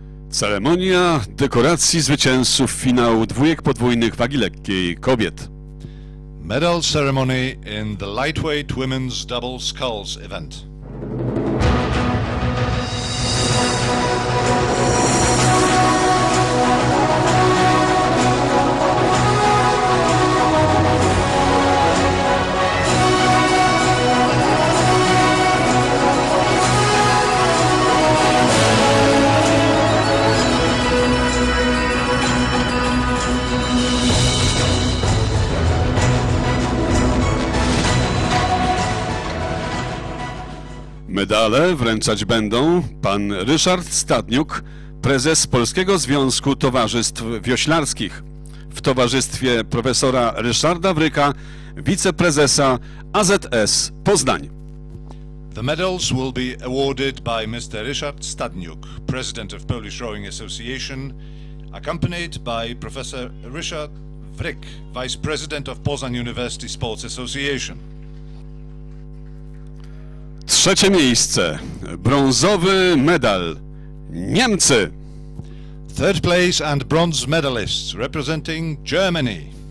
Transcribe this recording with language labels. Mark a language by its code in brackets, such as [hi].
[pl] Ceremonia dekoracji zwycięzców finału dwójek podwójnych wagi lekkiej kobiet. [en] Medal ceremony in the lightweight women's double sculls event. [pl] Medale wręczać będą pan Ryszard Stadniuk, prezes Polskiego Związku Towarzystw Wioślarskich, w towarzystwie profesora Ryszarda Wryka, wiceprezesa AZS Poznań. [en] The medals will be awarded by Mr. Ryszard Stadniuk, president of Polish Rowing Association, accompanied by Professor Ryszard Wryk, vice president of Poznań University Sports Association. [pl] Trzecie miejsce, brązowy medal, Niemcy. [en] Third place and bronze medalists representing Germany.